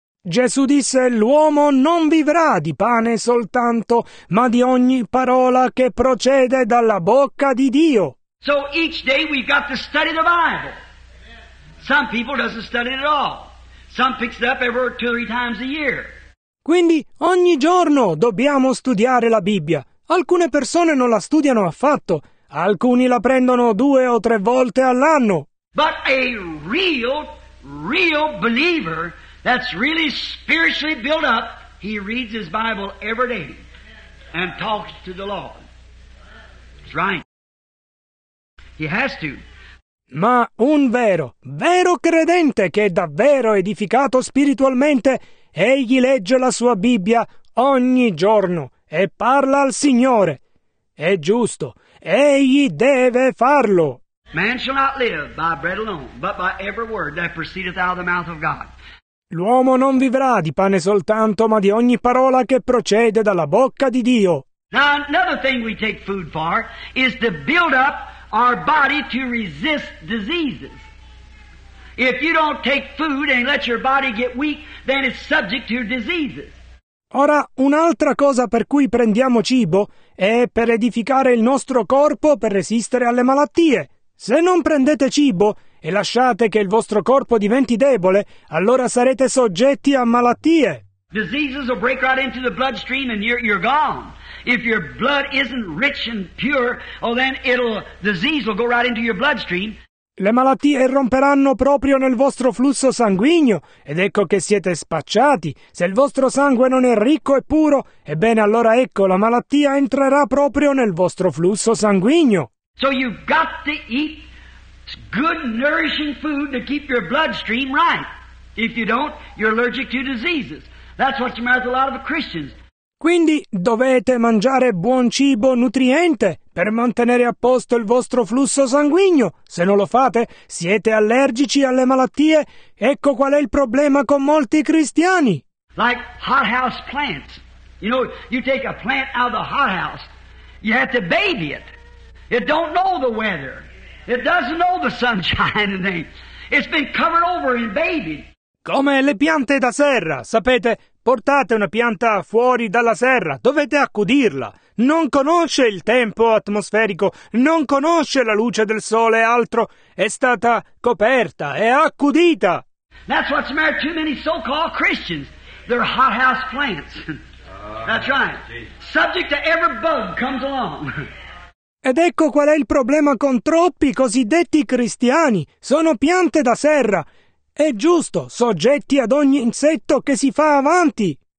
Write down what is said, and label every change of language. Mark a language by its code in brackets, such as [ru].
[it] Gesù disse, l'uomo non vivrà di pane soltanto, ma di ogni parola che procede dalla bocca di Dio. [en] So each day we've got to study the Bible. Some people doesn't study it at all. Some picks it up every two or three times a year. [it] Quindi ogni giorno dobbiamo studiare la Bibbia. Alcune persone non la studiano affatto. Alcuni la prendono due o tre volte all'anno. [en] But a real believer that's really spiritually built up, he reads his Bible every day and talks to the Lord. That's right. He has to. [it] Ma un vero credente che è davvero edificato spiritualmente, egli legge la sua Bibbia ogni giorno e parla al Signore. è giusto. Egli deve farlo. [en] Man shall not live by bread alone, but by every word that proceedeth out of the mouth of God. [it] L'uomo non vivrà di pane soltanto, ma di ogni parola che procede dalla bocca di Dio. [en] Now, another thing we take food for is to build up our body to resist diseases. If you don't take food and let your body get weak, then it's subject to diseases. [it] Ora, un'altra cosa per cui prendiamo cibo è per edificare il nostro corpo per resistere alle malattie. Se non prendete cibo e lasciate che il vostro corpo diventi debole, allora sarete soggetti a malattie. [en] Diseases will break right into the bloodstream and you're gone. If your blood isn't rich and pure, oh then it'll disease will go right into your bloodstream. [it] Le malattie romperanno proprio nel vostro flusso sanguigno, ed ecco che siete spacciati. Se il vostro sangue non è ricco e puro, ebbene allora ecco, la malattia entrerà proprio nel vostro flusso sanguigno. [en] So you've got to eat good nourishing food to keep your bloodstream right. If you don't, you're allergic to diseases. That's what you're with a lot of the Christians. [it] Quindi dovete mangiare buon cibo nutriente per mantenere a posto il vostro flusso sanguigno. Se non lo fate, siete allergici alle malattie. Ecco qual è il problema con molti cristiani. [en] Like hothouse plants. You know, you take a plant out of the hothouse, you have to baby it. It don't know the weather. It doesn't know the sunshine. It's been covered over and babied. [it] Come le piante da serra, sapete? Portate una pianta fuori dalla serra, dovete accudirla. Non conosce il tempo atmosferico, non conosce la luce del sole e altro. È stata coperta, è accudita. [en] That's what's married too many so-called Christians. They're hothouse plants. That's right. Subject to every bug comes along. [it] Ed ecco qual è il problema con troppi cosiddetti cristiani. Sono piante da serra. È giusto, soggetti ad ogni insetto che si fa avanti.